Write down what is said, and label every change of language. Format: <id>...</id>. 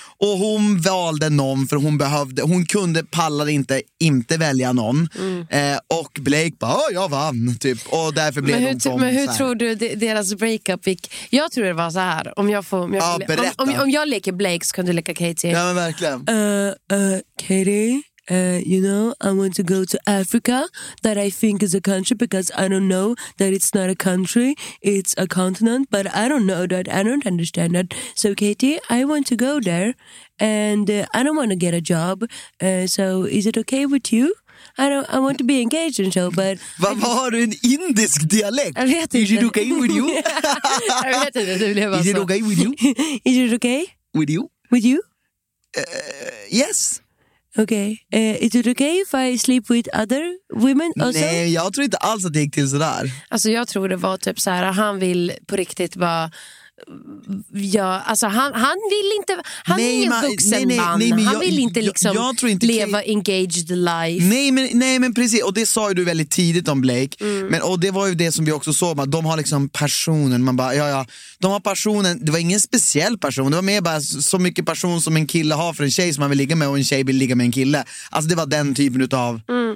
<sv>Och hon valde någon för hon behövde, hon kunde, pallade inte välja någon. Mm. Och Blake bara, jag vann, typ. Och därför blev hon bombsad. Men hur tror du deras breakup gick? Jag tror det var så här, om jag leker Blake så kan du leka Katie. Ja, men verkligen. Katie?</sv> <en>You know, I want to go to Africa, that I think is a country, because I don't know that it's not a country, it's a continent, but I don't know that, I don't understand that. So Katie, I want to go there, and I don't want to get a job, so is it okay with you? I want to be engaged in show, but...</en> <sv>Vad har du, en indisk dialekt? Jag vet inte.</sv> <en>Is it okay with you?</en> <sv>Jag vet inte, det blev bara så.</sv> <en>Is it okay with you? Is it okay? With you? With you? Yes. Okay, is it okay if I sleep with other women also?</en> <sv>Nej, jag tror inte alls att det gick till sådär. Alltså jag tror det var typ så här, han vill på riktigt bara, ja, alltså han vill inte, han, nej, är en vuxen, nej, man, nej, men han vill inte liksom jag tror inte leva engaged life. Nej men precis, och det sa ju du väldigt tidigt om Blake. Mm. Men, och det var ju det som vi också såg, de har liksom personen, man bara, ja, de har personen, det var ingen speciell person, det var mer bara så mycket person som en kille har för en tjej som man vill ligga med, och en tjej vill ligga med en kille, alltså det var den typen utav. Mm.</sv>